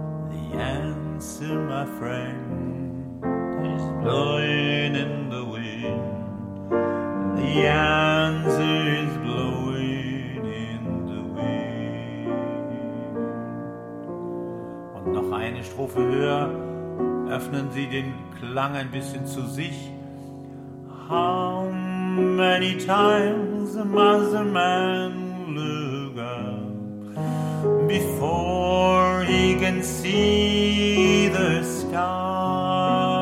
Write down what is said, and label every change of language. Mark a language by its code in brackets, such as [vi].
[en] The answer, my friend, is blowing in the wind. The answer is blowing in the wind. [de] Und noch eine Strophe höher. Öffnen Sie den Klang ein bisschen zu sich. [en] How many times must a man look up before he can see the sky?